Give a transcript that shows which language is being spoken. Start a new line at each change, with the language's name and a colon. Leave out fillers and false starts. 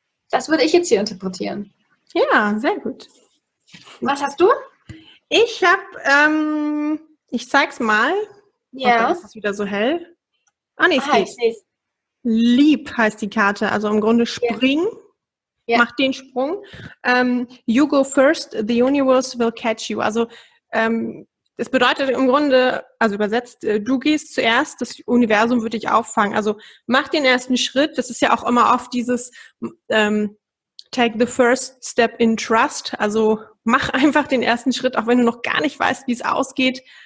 German: Das würde ich jetzt hier interpretieren. Ja, sehr gut. Was hast du? Ich habe, ich zeig's mal. Ja. Ob das ist wieder so hell. Ah, nee, es geht. Ich seh's. Lieb heißt die Karte, also im Grunde springen. Ja. Ja. Mach den Sprung.
English: You go first, the universe will catch you.
German: Also das bedeutet im Grunde, also übersetzt, du gehst zuerst, das Universum wird dich auffangen. Also mach den ersten Schritt. Das ist ja auch immer oft dieses
English: take the first step in trust.
German: Also mach einfach den ersten Schritt, auch wenn du noch gar nicht weißt, wie es ausgeht.